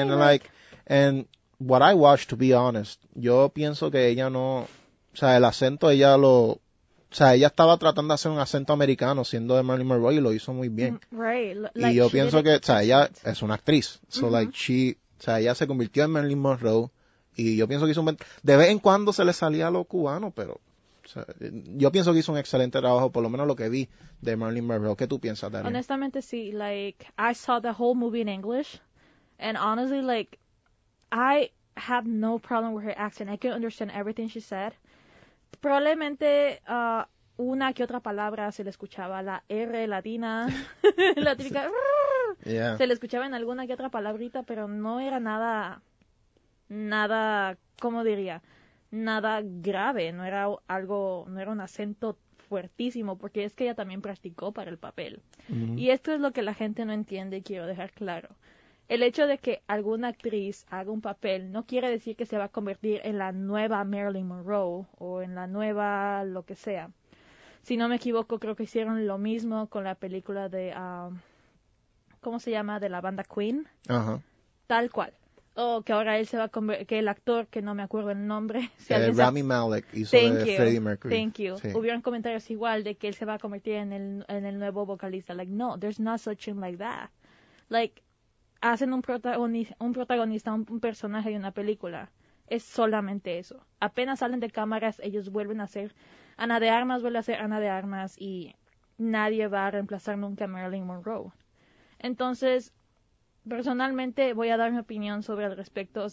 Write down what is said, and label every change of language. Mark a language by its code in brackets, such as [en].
[en] and like, and what I watched, to be honest, [es] yo pienso que ella no, o sea, el acento ella lo, o sea, ella estaba tratando de hacer un acento americano siendo de Marilyn Monroe y lo hizo muy bien. [en] Right. Like, [es] y yo pienso que, o sea, ella es una actriz. [en] So, uh-huh. Like, she, [es] o sea, ella se convirtió en Marilyn Monroe y yo pienso que hizo un buen, de vez en cuando se le salía a lo cubano, pero, o sea, yo pienso que hizo un excelente trabajo, por lo menos lo que vi de Marilyn Monroe. ¿Qué tú piensas, Darian? Honestamente, sí. [en] Like, I saw the whole movie in English and honestly, like, I have no problem with her accent. I can understand everything she said. [es] Probablemente una que otra palabra se le escuchaba, la R latina, la típica, [en] yeah. [es] Se le escuchaba en alguna que otra palabrita, pero no era nada, ¿cómo diría? Nada grave, no era algo, no era un acento fuertísimo, porque es que ella también practicó para el papel. Mm-hmm. Y esto es lo que la gente no entiende y quiero dejar claro. El hecho de que alguna actriz haga un papel no quiere decir que se va a convertir en la nueva Marilyn Monroe o en la nueva lo que sea. Si no me equivoco, creo que hicieron lo mismo con la película de, ¿cómo se llama? De la banda Queen. Ajá. Tal cual. Que ahora él se va a convertir, que el actor, que no me acuerdo el nombre. Rami Malek hizo de Freddie Mercury. [en] Thank you. [es] Sí. Hubieron comentarios igual de que él se va a convertir en el nuevo vocalista. [en] Like, no, there's not such thing like that. [es] Like, hacen un protagonista, un personaje de una película. Es solamente eso. Apenas salen de cámaras, ellos vuelven a ser Ana de Armas, vuelve a ser Ana de Armas y nadie va a reemplazar nunca a Marilyn Monroe. Entonces, personalmente voy a dar mi opinión sobre el respecto.